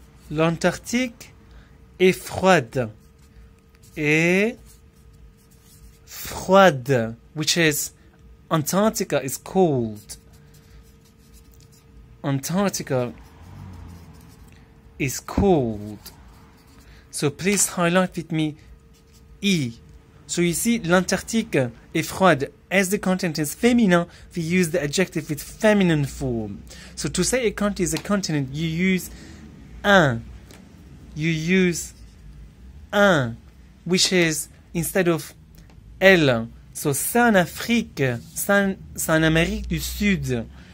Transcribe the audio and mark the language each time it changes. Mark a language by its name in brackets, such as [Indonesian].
[French] L'Antarctique est froide. Et froide, [English] which is Antarctica is cold. Antarctica is cold. So please highlight with me E. So you see, [French] l'Antarctique est froide. [English] As the continent is feminine, we use the adjective with feminine form. So to say a country is a continent, you use un. You use un, which is instead of elle. [French] So c'est en Afrique, c'est en Amérique du Sud.